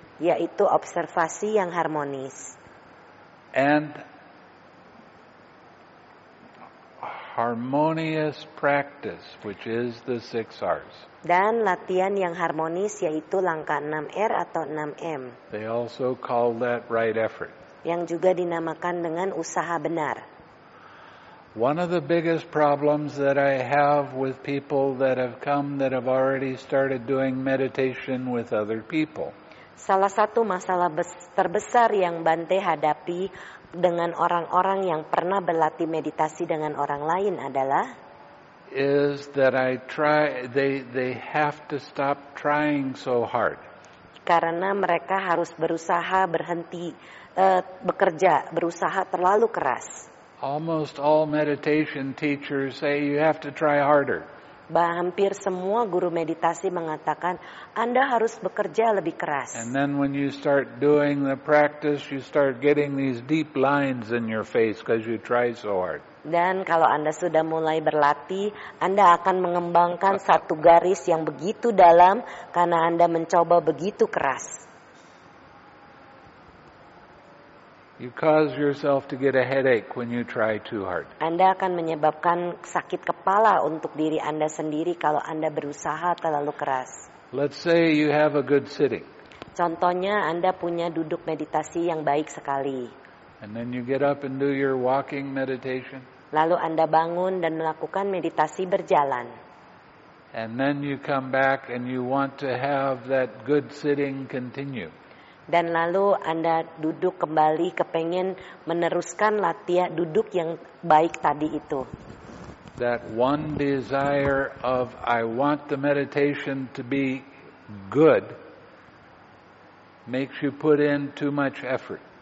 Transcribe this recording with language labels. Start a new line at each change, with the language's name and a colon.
Indonesian: Yaitu observasi yang harmonis.
English: And harmonious practice, which is the six R's.
Indonesian: Dan latihan yang harmonis yaitu langkah 6R atau 6M.
English: They also call that right effort.
Indonesian: Yang juga dinamakan dengan usaha benar.
English: One of the biggest problems that I have with people that have come that have already started doing meditation with other people.
Indonesian: Salah satu masalah terbesar yang Bante hadapi dengan orang-orang yang pernah berlatih meditasi dengan orang lain adalah
English: is that I try they have to stop trying so hard.
Indonesian: Karena mereka harus berusaha berhenti bekerja, berusaha terlalu keras.
English: Almost all meditation teachers say you have to try harder.
Indonesian: Hampir semua guru meditasi mengatakan Anda harus bekerja lebih keras.
English: And then when you start doing the practice, you start getting these deep lines in your face because you try so hard.
Indonesian: Dan kalau Anda sudah mulai berlatih, Anda akan mengembangkan satu garis yang begitu dalam karena Anda mencoba begitu keras.
English: You cause yourself to get a headache when you try too hard.
Indonesian: Anda akan menyebabkan sakit kepala untuk diri Anda sendiri kalau Anda berusaha terlalu keras.
English: Let's say you have a good sitting.
Indonesian: Contohnya Anda punya duduk meditasi yang baik sekali.
English: And then you get up and do your walking meditation.
Indonesian: Lalu Anda bangun dan melakukan meditasi berjalan.
English: And then you come back and you want to have that good sitting continue.
Indonesian: Dan lalu Anda duduk kembali kepengen meneruskan latihan duduk yang baik tadi itu.
English: That one desire of I want the meditation to be good makes you put in too much effort.